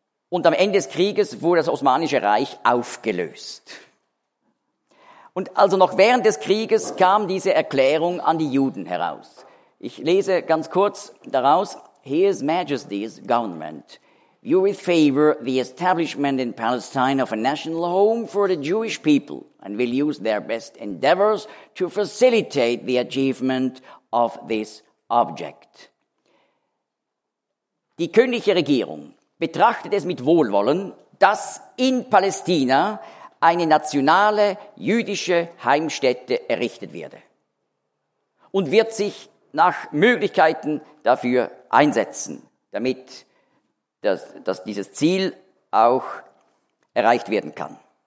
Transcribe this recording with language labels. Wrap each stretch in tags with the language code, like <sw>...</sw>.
<de>Und am Ende des Krieges wurde das Osmanische Reich aufgelöst. Und also noch während des Krieges kam diese Erklärung an die Juden heraus. Ich lese ganz kurz daraus:</de> <en>His Majesty's Government. You with favor the establishment in Palestine of a national home for the Jewish people and will use their best endeavors to facilitate the achievement of this object.</en> <de>Die königliche Regierung betrachtet es mit Wohlwollen, dass in Palästina eine nationale jüdische Heimstätte errichtet werde und wird sich nach Möglichkeiten dafür einsetzen, damit dass dieses Ziel auch erreicht werden kann.</de>